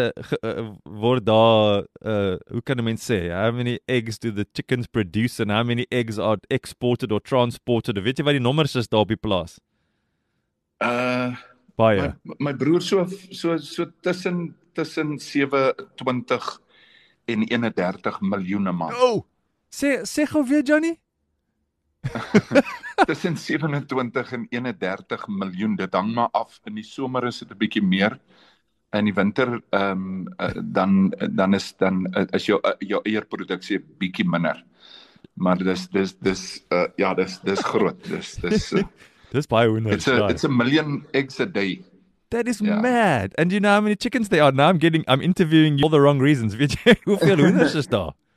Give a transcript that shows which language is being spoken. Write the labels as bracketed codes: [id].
[af] Hoeveel eiers word daar, hoe kan een mens sê? [en] How many eggs do the chickens produce and how many eggs are exported or transported? [af] Weet jy wat die nommers is daar op die plaas? Baie. My broer so tussen 27 en 31 miljoene man. Oh, sê gauw weer, Johnny. Tussen 27 en 31 miljoen, dit hang maar af, in die somer is dit 'n bietjie meer, in die winter, dan is jou eierproduksie 'n bietjie minder, maar dis groot, dis baie hoender. [en] It's a million eggs a day. That is mad, and you know how many chickens they are, now I'm interviewing you for the wrong reasons, [af] hoeveel hoenders is daar?